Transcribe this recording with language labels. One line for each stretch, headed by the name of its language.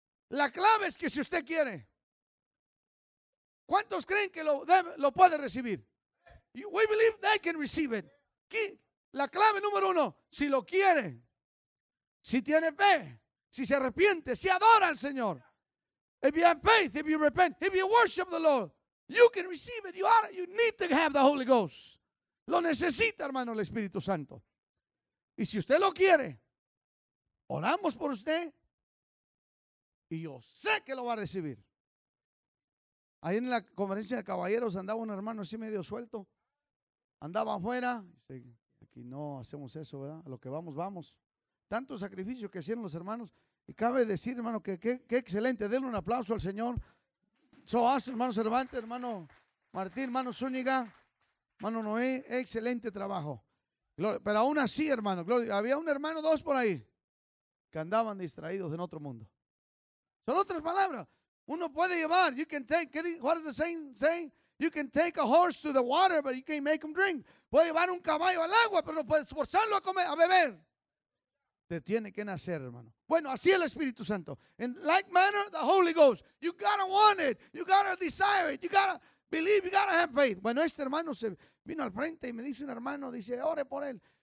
Spanish: La clave es que si usted quiere, ¿cuántos creen que lo puede recibir?
English: We believe they can receive it.
Spanish: ¿Qué? La clave número uno, si lo quiere, si tiene fe, si se arrepiente, si adora al Señor.
English: If you have faith, if you repent, if you worship the Lord, you can receive it. You need to have the Holy Ghost.
Spanish: Lo necesita, hermano, el Espíritu Santo. Y si usted lo quiere, oramos por usted. Y yo sé que lo va a recibir. Ahí en la conferencia de caballeros andaba un hermano así medio suelto. Andaba afuera. Aquí no hacemos eso, ¿verdad? A lo que vamos, vamos. Tanto sacrificio que hicieron los hermanos. Y cabe decir, hermano, que qué excelente. Denle un aplauso al Señor. Soas, hermano Cervantes, hermano Martín, hermano Zúñiga, hermano Noé. Excelente trabajo. Pero aún así, hermano, había un hermano, dos por ahí, que andaban distraídos en otro mundo. Son otras palabras. Uno puede llevar,
English: you can take, what does the saying say? You can take a horse to the water, but you can't make him drink.
Spanish: Puede llevar un caballo al agua, pero no puedes forzarlo a comer, a beber. Te tiene que nacer, hermano. Bueno, así el Espíritu Santo.
English: In like manner, the Holy Ghost. You gotta want it. You gotta desire it. You gotta believe. You gotta have faith.
Spanish: Bueno, este hermano se vino al frente y me dice un hermano, dice, ore por él.